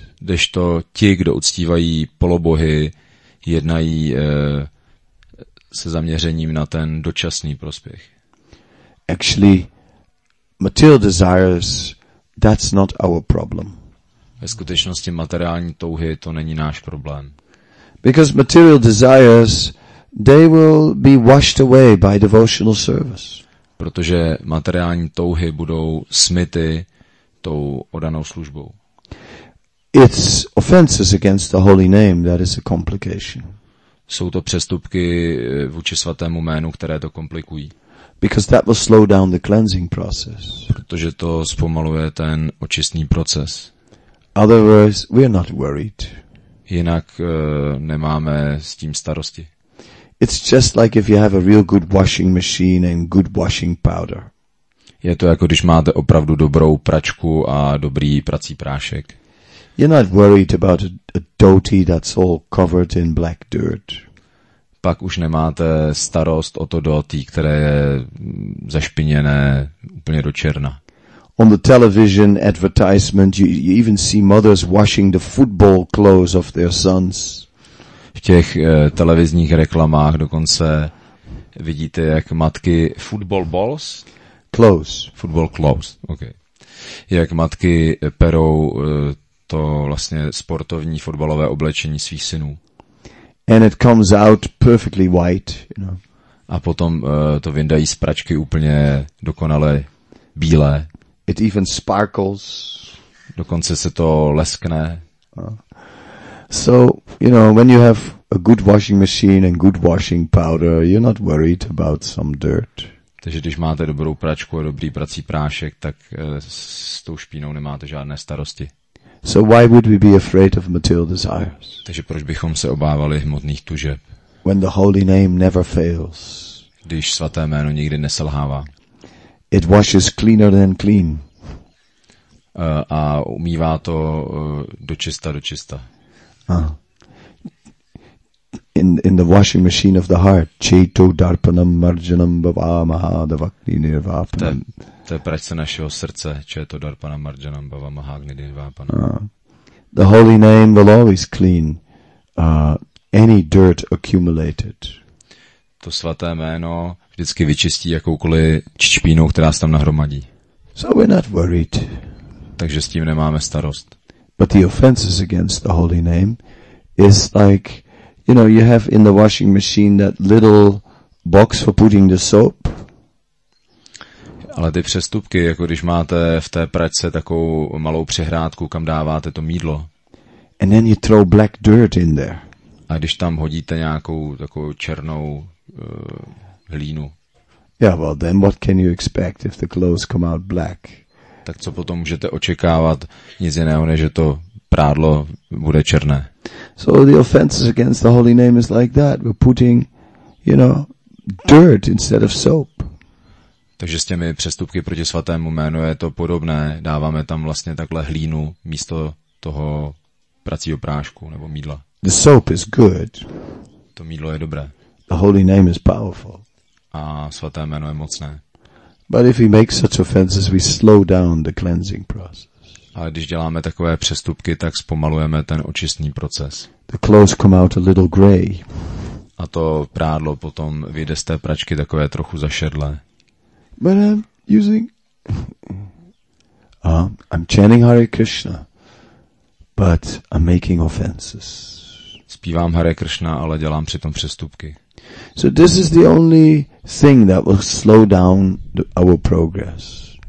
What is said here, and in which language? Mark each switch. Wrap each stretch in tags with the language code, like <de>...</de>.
<cs>Kdežto ti, kdo uctívají polobohy, jednají se zaměřením na ten dočasný prospěch.</cs> <en>Actually, material desires, that's not our problem.</en> <cs>Ve skutečnosti materiální touhy, to není náš problém.</cs> <en>Because material desires, they will be washed away by devotional service.</en> <cs>Protože materiální touhy budou smyty tou oddanou službou.</cs> <en>It's offenses against the holy name, that is a complication.</en> <cs>Jsou to přestupky vůči svatému jménu, které to komplikují.</cs> <en>Because that will slow down the cleansing process.</en> <cs>Protože to zpomaluje ten očistný proces.</cs> <en>Otherwise, we are not worried.</en> <cs>Jinak nemáme s tím starosti.</cs> <en>It's just like if you have a real good washing machine and good washing powder.</en> <cs>Je to jako když máte opravdu dobrou pračku a dobrý prací prášek.</cs> <en>You're not worried about a dhoti that's all covered in black dirt.</en> <cs>Pak už nemáte starost o to dhoti, které je zašpiněné úplně do černa.</cs> <en>On the television advertisement, you even see mothers washing the football clothes of their sons.</en> <cs>V těch televizních reklamách dokonce vidíte, jak matky</cs> <en>football balls? Clothes. Football clothes, okay.</en> <cs>Jak matky perou to vlastně sportovní fotbalové oblečení svých synů.</cs> <en>And it comes out perfectly white, you know.</en> <cs>A potom to vyndají z pračky úplně dokonale bílé.</cs> <en>It even sparkles.</en> <cs>Dokonce se to leskne.</cs> <en>So, you know, when you have a good washing machine and good washing powder, you're not worried about some dirt.</en> <cs>Takže když máte dobrou pračku a dobrý prací prášek, tak s tou špínou nemáte žádné starosti.</cs> <en>So why would we be afraid of material desires?</en> <cs>Takže proč bychom se obávali hmotných tužeb?</cs> <en>When the holy name never fails.</en> <cs>Když svaté jméno nikdy neselhává.</cs> <en>It washes cleaner than clean.</en> <cs>A umývá to dočista dočista.</cs> <en>In the washing machine of the heart,</en> <sa>chaito darpanam marjanam bava maha devakni nirvapanam.</sa> <cs>To je pračce našeho srdce,</cs> <sa>chaito darpanam marjanam bava maha agni nirvapanam.</sa> <en>The holy name will always clean any dirt accumulated.</en> <cs>To svaté jméno vždycky vyčistí jakoukoliv čičpínu, která se tam nahromadí.</cs> <en>So we're not worried.</en> <cs>Takže s tím nemáme starost.</cs> <en>But the offenses against the holy name is like, you know, you have in the washing machine that little box for putting the soap.</en> <cs>Ale ty přestupky, jako když máte v té pračce takovou malou přehrádku, kam dáváte to mýdlo.</cs> <en>And then you throw black dirt in there.</en> <cs>A když tam hodíte nějakou takovou černou hlínu.</cs> <en>Yeah, well then what can you expect if the clothes come out black?</en> <cs>Tak co potom můžete očekávat, nic jiného, než že to prádlo bude černé.</cs> <en>So the offenses against the holy name is like that. We're putting, you know, dirt instead of soap.</en> <cs>Takže s těmi přestupky proti svatému jménu je to podobné. Dáváme tam vlastně takhle hlínu místo toho pracího prášku nebo mídla.</cs> <en>The soap is good.</en> <cs>To mídlo je dobré.</cs> <en>The holy name is powerful.</en> <cs>A svaté jméno je mocné.</cs> <en>But if we make such offenses, we slow down the cleansing process.</en> <cs>Ale když děláme takové přestupky, tak zpomalujeme ten očistný proces.</cs> <en>The clothes come out a little gray.</en> <cs>A to prádlo potom vyjde z té pračky takové trochu zašedlé.</cs> <en>But I'm using... I'm chanting Hare Krishna, but I'm making offenses.</en> <cs>Zpívám Hare Krishna, ale dělám přitom přestupky.</cs> <en>So this is the only thing that will slow down our progress.</en>